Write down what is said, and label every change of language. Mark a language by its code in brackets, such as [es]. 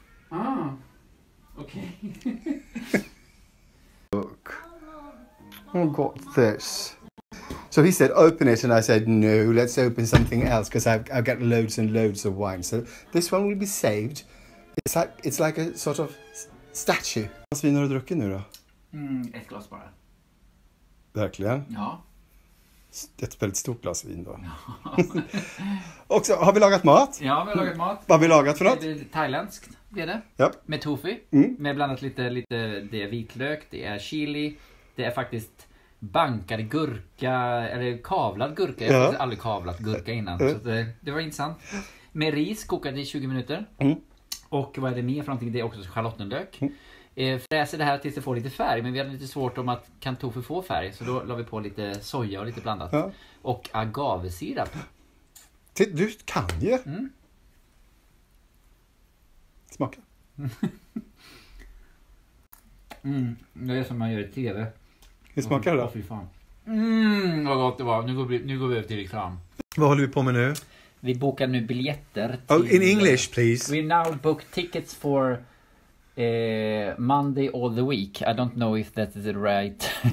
[en] Ah, okay. Look, I got this. So he said, open it, and I said, no, let's open something else, because I've got loads and loads of wine. So this one will be saved. It's like a sort of statue. [sv] Vad vin har du druckit nu då? Ett glas bara. Verkligen? Ja. Ett väldigt stort glas vin då. Ja. Och så har vi lagat mat? Ja, vi har lagat mat. Vad har vi lagat för något? Det är thailändskt, det är det. Ja. Med tofu. Med blandat lite det är vitlök, det är chili, det är faktiskt bankad gurka, eller kavlad gurka. Jag har aldrig kavlat gurka innan, så det var intressant. Med ris, kokade i 20 minuter. Och vad är det mer för någonting? Det är också schalottenlök. Fräser det här tills det får lite färg, men vi hade lite svårt om att kan tofu få färg, så då la vi på lite soja och lite blandat. Ja. Och agavesirap. Du kan ju! Smaka. Det är som man gör i TV. Hur smakar det då? Åh, fy fan. Vad gott det var. Nu går vi över till reklam. Vad håller vi på med nu? Vi bokar nu biljetter. [en] Till, in English, please. We now book tickets for Monday all the week. I don't know if that is the right...